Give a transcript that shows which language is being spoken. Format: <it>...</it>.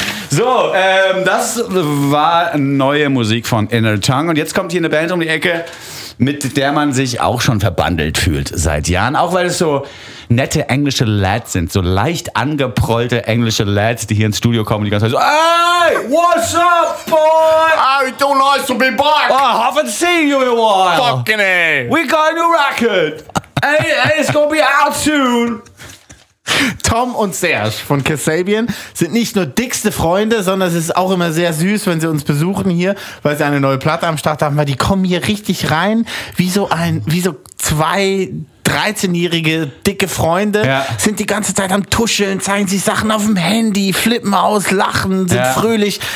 <de>So, das war neue Musik von Inner Tongue. Und jetzt kommt hier eine Band um die Ecke, mit der man sich auch schon verbandelt fühlt seit Jahren. Auch weil es so nette englische Lads sind, so leicht angeprollte englische Lads, die hier ins Studio kommen und die ganze Zeit so, hey, what's up, boy?</de> <en>Hey, so nice to be back. I haven't seen you in a while. Fucking A. We got a new record. And it's gonna be out soon.</en> <de>Tom und Serge von Kasabian sind nicht nur dickste Freunde, sondern es ist auch immer sehr süß, wenn sie uns besuchen hier, weil sie eine neue Platte am Start haben, weil die kommen hier richtig rein, wie so zwei 13-jährige dicke Freunde, ja, sind die ganze Zeit am Tuscheln, zeigen sich Sachen auf dem Handy, flippen aus, lachen, sind fröhlich.</de>